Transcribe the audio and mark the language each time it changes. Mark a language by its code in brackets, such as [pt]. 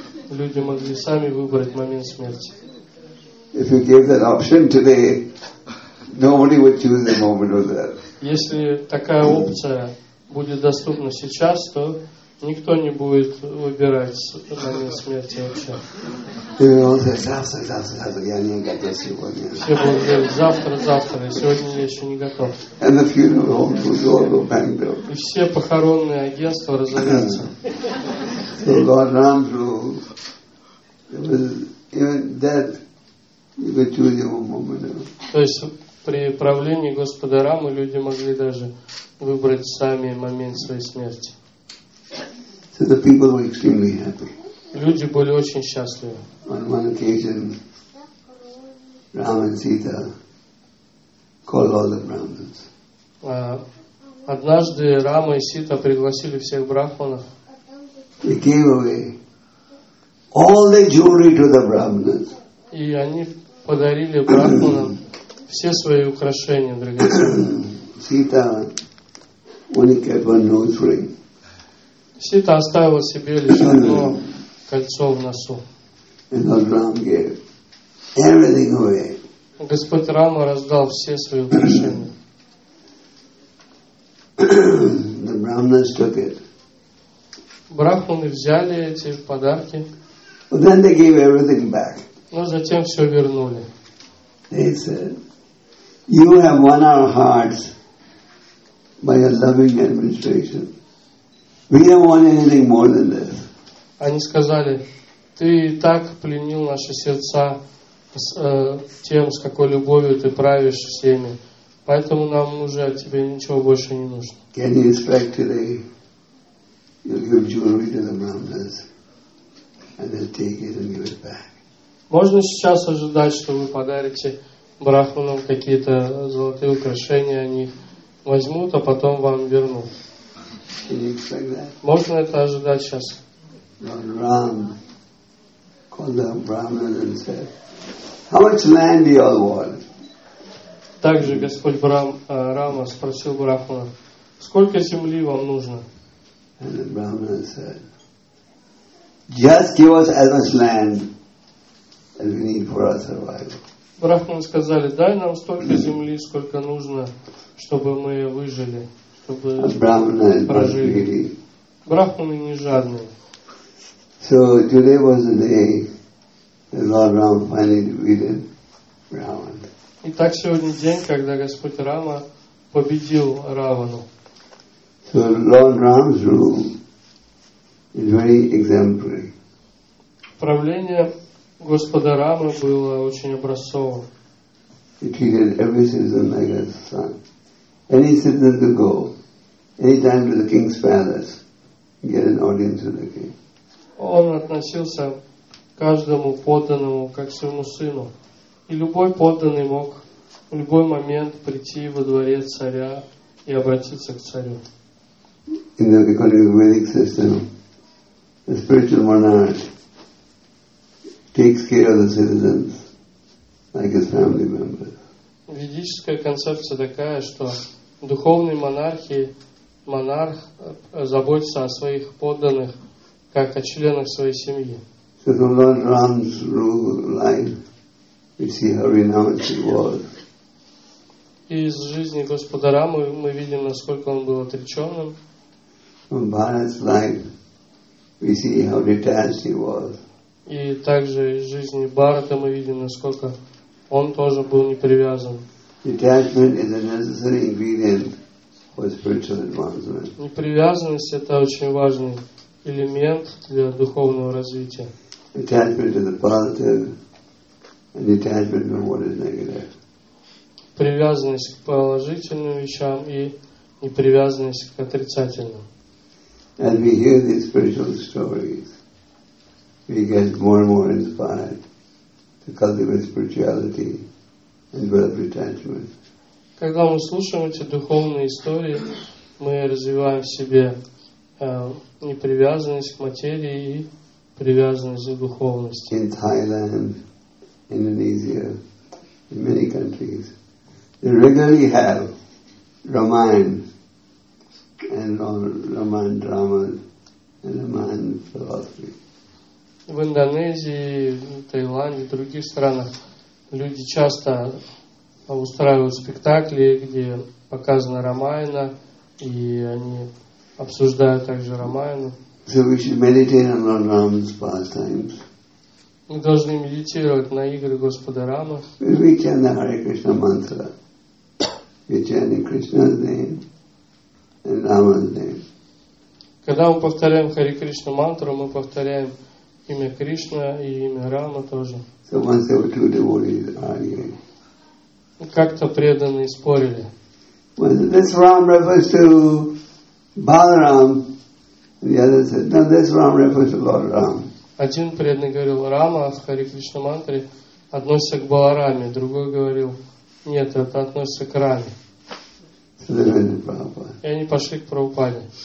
[ru] Люди могли сами выбрать момент смерти. [en] If you gave that option today, nobody would choose the moment of death. [ru] Если такая опция будет доступна сейчас, то никто не будет выбирать момент смерти вообще. Все будут говорить, завтра, сегодня я еще не готов. [en] And the funeral homes will go all bankrupt. [ru] И все похоронные агентства разорятся. [en] So Lord Ram through that you could choose your moment. [ru] То есть при правлении Господа Рамы люди могли даже выбрать сами момент своей смерти. [en] So the people were extremely happy. [ru] Люди были очень счастливы. [en] On one occasion, Rama and Sita called all the Brahmins. [ru] Однажды Рама и Сита пригласили всех брахманов. [en] They gave away all the jewelry to the Brahmins. [ru] И они подарили брахманам все свои украшения драгоценные. [en] Sita only kept one nose ring. [ru] Сита оставила себе лишь одно кольцо в носу. [en] And Lord Ram gave everything away. [ru] Господь Рама раздал все свои украшения. [en] The Brahmins took it. [ru] Брахманы взяли эти подарки. [en] But then they gave everything back. [ru] Но затем все вернули. [en] They said, "You have won our hearts by your loving administration. We don't want anything more than this." [ru] Они сказали, ты и так пленил наши сердца тем, с какой любовью ты правишь всеми. Поэтому нам уже от тебя ничего больше не нужно. [en] Can you expect today you'll give jewelry to the Brahmins and they'll take it and give it back? [ru] Можно сейчас ожидать, что вы подарите брахманам какие-то золотые украшения, они возьмут, а потом вам вернут. Можно это ожидать сейчас? [en] Рам called the Brahmins and said, "How much land do you all want?" [ru] Также Господь Рама спросил брахмана, сколько земли вам нужно? [en] And the Brahmins said, "Just give us as much land as we need for our survival." [ru] Брахманы сказали, дай нам столько земли, сколько нужно, чтобы мы выжили, чтобы прожили. Брахманы не жадные. [en] So today was the day that Lord Ram finally defeated Ravan. [ru] Итак, сегодня день, когда Господь Рама победил Равану. [en] So Lord Ram's rule is very exemplary. [ru] Правление Господа Рамы было очень образцовым. [en] He treated every citizen like his son. Any citizen could go anytime to the king's palace and get an audience with the king. [ru] Он относился к каждому подданному как к своему сыну. И любой подданный мог в любой момент прийти во дворец царя и обратиться к царю. [en] In the Vedic system, the spiritual monarch takes care of the citizens like his family members. [ru] Ведическая концепция такая, что духовный монарх заботится о своих подданных как о членах своей семьи. [en] So the Lord Ram's rule life, we see how renowned he was. [ru] Из жизни Господа Рамы мы видим, насколько он был отреченным. [en] From Bharat's life, we see how detached he was. [ru] И также из жизни Бхарата мы видим, насколько он тоже был непривязан. [en] Detachment is a necessary ingredient for spiritual advancement. [ru] Непривязанность — это очень важный элемент для духовного развития. [en] Attachment to the positive and detachment from what is negative. [ru] Привязанность к положительным вещам и непривязанность к отрицательным. [en] As we hear these spiritual stories, we get more and more inspired to cultivate spirituality and develop detachment. [ru] Когда мы слушаем эти духовные истории, мы развиваем в себе непривязанность к материи и привязанность к духовности. [en] In Thailand, Indonesia, in many countries, they regularly have Ramayana and Ramayana dramas and Ramayana philosophy. [ru] В Индонезии, Таиланде, других странах люди часто устраивают спектакли, где показана Рамаяна, и они обсуждают также Рамаяну. [en] So we should meditate on Lord Rama's pastimes. [ru] Мы должны медитировать на игры Господа Рамы. [en] If we chant the Hare Krishna mantra, we chant in Krishna's name and Rama's name. [ru] Когда мы повторяем Хари Кришна мантру, мы повторяем имя Кришна и имя Рама тоже. [en] So once there were two devotees arguing. [ru] Как-то преданные спорили. [en] Well, this Ram refers to Balaram. The other said, no, this Ram refers to Lord Ram. [ru] Один преданный говорил, Рама в Хари Кришна мантре относится к Балараме. Другой говорил, нет, это относится к Раме. И они пошли к Прабхупаде.